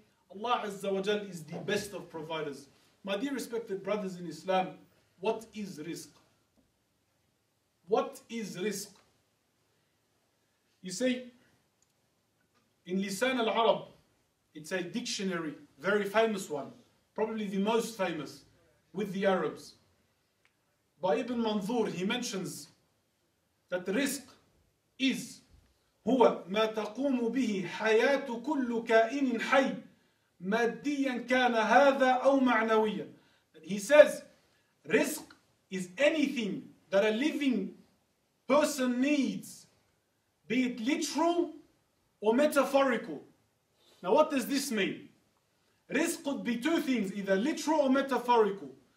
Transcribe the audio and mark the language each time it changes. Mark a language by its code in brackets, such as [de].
[en] Allah Azza wa Jal is the best of providers. My dear respected brothers in Islam, what is rizq? What is rizq? You see, in Lisan al-Arab, it's a dictionary, very famous one, probably the most famous with the Arabs. By Ibn Manzur, he mentions that rizq is [ar] هو ما تقوم به حياة كل كائن حي ماديا كان هذا أو معنويا. [en] He says, rizq is anything that a living person needs, be it literal or metaphorical. Now what does this mean? Rizq could be two things, either literal or metaphorical.